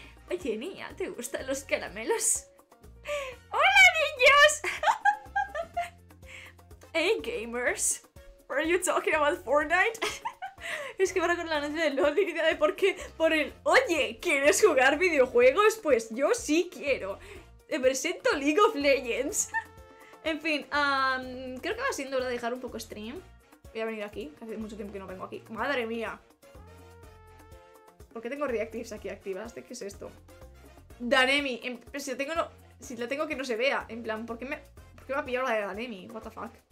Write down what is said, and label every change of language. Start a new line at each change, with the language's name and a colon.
Spanish: Oye, niña, ¿te gustan los caramelos? ¡Hola, niños!
English: Hey, gamers. ¿Are you talking about Fortnite?
Spanish: Es que ahora con la noche de LOL, ni idea de por qué. Por el. Oye, ¿quieres jugar videojuegos? Pues yo sí quiero. Te presento League of Legends. En fin, creo que va siendo hora de dejar un poco stream. Voy a venir aquí, que hace mucho tiempo que no vengo aquí. ¡Madre mía! ¿Por qué tengo reactives aquí activas? ¿De qué es esto? ¡Danemi! Si la tengo que no se vea. En plan, ¿por qué me ha pillado la de Danemi?
English: What the fuck.